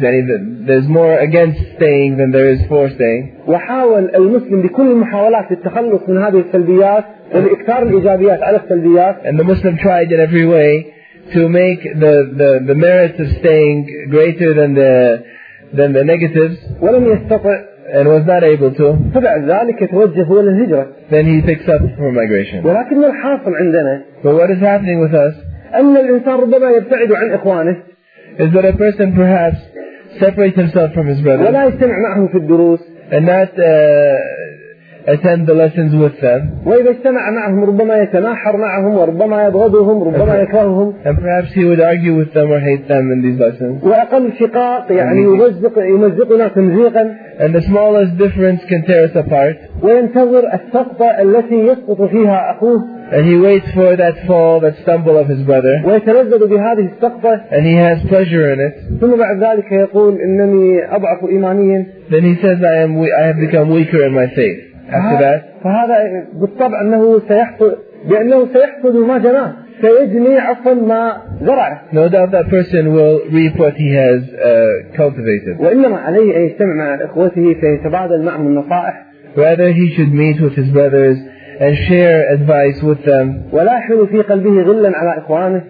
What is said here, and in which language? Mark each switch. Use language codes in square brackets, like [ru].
[ar] يعني [en] there's more against staying than there is for staying. [ar] وحاول المسلم بكل المحاولات للتخلص من هذه السلبيات والإكثار الإيجابيات على السلبيات. [en] And the Muslim tried in every way to make the merits of staying greater than the negatives. [ar] ولم يستطع. [en] And was not able to. [ar] فبعد ذلك يتوجه إلى الهجرة. [en] Then he picks up for migration. [ar] ولكن الحاصل عندنا. [en] But what is happening with us? [ar] أن الإنسان ربما يبتعد عن إخوانه. [en] Is that a person perhaps separates himself from his brothers? [ar] ولا يستمع معهم في الدروس. [en] And not attend the lessons with them. [ar] وإذا استمع معهم ربما يتناحر معهم وربما يبغضهم ربما يكرههم. [en] And perhaps he would argue with them or hate them in these lessons. [ar] وأقل شقاق يعني يمزقنا تمزيقا. [en] And the smallest difference can tear us apart. [ar] وينتظر السقطة التي يسقط فيها أخوه. [en] And he waits for that fall, that stumble of his brother. [ar] ويتلذذ بهذه السقطة. [en] And he has pleasure in it. [ar] ثم بعد ذلك يقول إنني أضعف إيمانيا. [en] Then he says I have become weaker in my faith. After that. [ar] فهذا بالطبع أنه سيحصد بأنه سيحصد ما جنى. سيجني عفوا ما زرع. [en] No doubt that person will reap what he has cultivated. [ar] وإنما عليه أن يجتمع مع إخوته فيتبادل معهم النصائح. [en] Rather he should meet with his brothers and share advice with them. [ar] ولا يحمل في قلبه غلا على إخوانه.